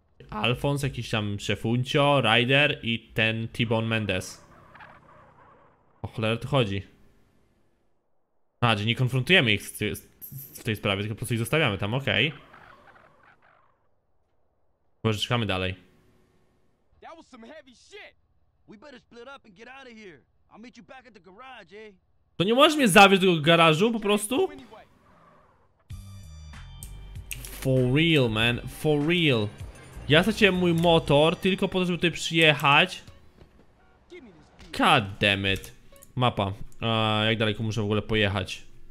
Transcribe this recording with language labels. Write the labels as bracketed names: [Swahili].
[Polish] Alfons, jakiś tam Szefuncio, Ryder i ten T-Bone Mendez. O cholera tu chodzi. A, że nie konfrontujemy ich w tej sprawie, tylko po prostu ich zostawiamy tam, okej. Okay. Boże, czekamy dalej. [English] That was some heavy shit. We better split up and get out of here. I'll meet you back at the garage, eh? [Polish] To nie możesz mnie zawieźć do garażu po prostu? [English] For real, man, for real. [Polish] Ja straciłem mój motor tylko po to, żeby tutaj przyjechać. [English] God damn it. [Polish] Mapa. Jak daleko muszę w ogóle pojechać?